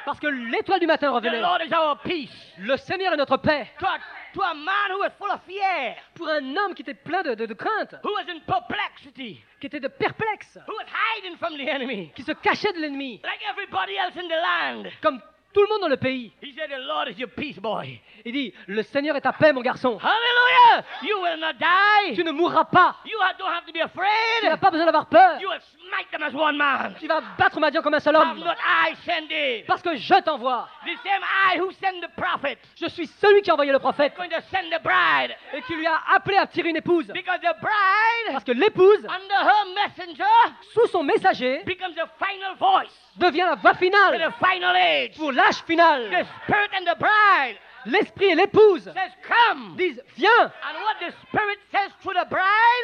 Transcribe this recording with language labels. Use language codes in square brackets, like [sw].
[fr] Parce que l'étoile du matin revenait. [en] The Lord is our peace. [fr] Le Seigneur est notre paix. [en] To a man who was full of fear. [fr] Pour un homme qui était plein de crainte. [en] Who was in perplexity. [fr] Qui était de perplexe. [en] Who was hiding from the enemy. [fr] Qui se cachait de l'ennemi. [en] Like everybody else in the land. [fr] Comme tout le monde dans le pays. [en] He said, the Lord is your peace, boy. [fr] Il dit, le Seigneur est ta paix, mon garçon. [en] Hallelujah. You will not die. [fr] Tu ne mourras pas. [en] You don't have to be afraid. [fr] Tu n'as pas besoin d'avoir peur. [en] You will smite them as one man. [fr] Tu vas battre Madian comme un seul homme. [en] I'm not I sending. [fr] Parce que je t'envoie. [en] The same I who sent the prophet. [fr] Je suis celui qui a envoyé le prophète. [en] Going to send the bride. [fr] Et qui lui a appelé à tirer une épouse. [en] Because the bride, [fr] parce que l'épouse, [en] under her messenger, [fr] sous son messager, [en] becomes the final voice. [fr] Devient la voix finale [en] the final age. [fr] Pour l'âge final. [en] The spirit and the bride. [fr] L'esprit et l'épouse [en] says, come. [fr] Disent viens. [en] And what the spirit says to the bride,